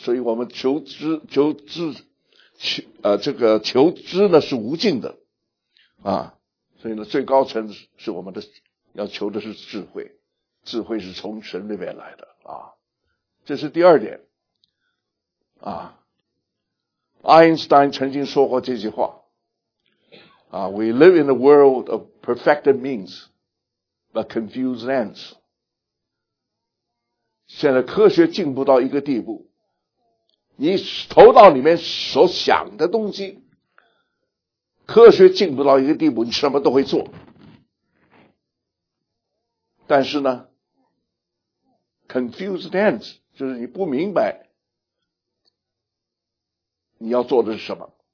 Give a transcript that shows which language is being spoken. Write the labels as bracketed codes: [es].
[zh] 所以我们求知呢是无尽的啊。所以呢，最高层是我们的要求的是智慧，智慧是从神那边来的啊，这是第二点啊。爱因斯坦曾经说过这句话啊 [en] ：“We live in a world of perfected means, but confused ends。” [zh] 现在科学进步到一个地步，你头脑里面所想的东西。科学进不到一个地步，你什么都会做。但是呢 ， [en] confused ends [zh] 就是你不明白你要做的是什么。